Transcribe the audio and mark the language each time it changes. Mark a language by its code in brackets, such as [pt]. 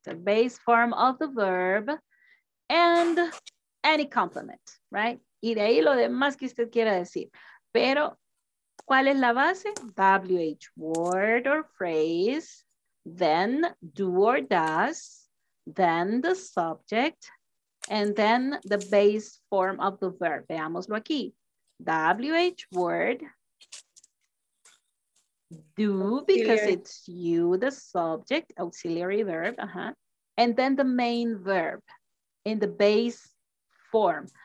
[en] The base form of the verb and any complement, right? [es] Y de ahí lo demás que usted quiera decir. Pero, ¿cuál es la base? [en] WH word or phrase, then do or does, then the subject, and then the base form of the verb. [es] Veámoslo aquí. [en] WH word, do, because it's you, the subject, auxiliary verb, and then the main verb in the base form.